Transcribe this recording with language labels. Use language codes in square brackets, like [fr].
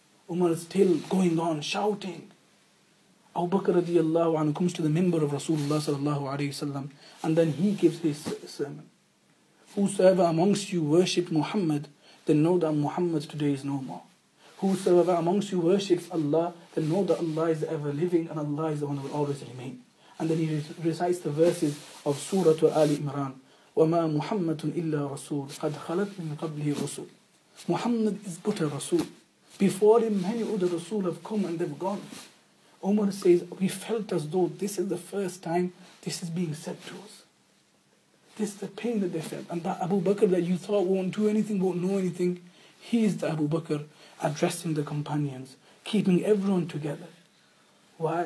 [en] Umar is still going on, shouting. Abu Bakr radiallahu anhu comes to the member of Rasulullah sallallahu alayhi wasallam and then he gives his sermon. Whosoever amongst you worship Muhammad, then know that Muhammad today is no more. Whosoever amongst you worships Allah, then know that Allah is ever living and Allah is the one who will always remain. And then he recites the verses of Surah Ali Imran. [ar] وَمَا مُحَمَّدٌ إِلَّا رَسُولٌ قَدْ خَلَتْ مِنْ قَبْلِهِ رَسُولٌ [en] Muhammad is but a Rasul. Before him, many other Rasul have come and they've gone. Umar says, we felt as though this is the first time this is being said to us. This is the pain that they felt. And that Abu Bakr that you thought won't do anything, won't know anything, he is the Abu Bakr. Addressing the companions, keeping everyone together. Why?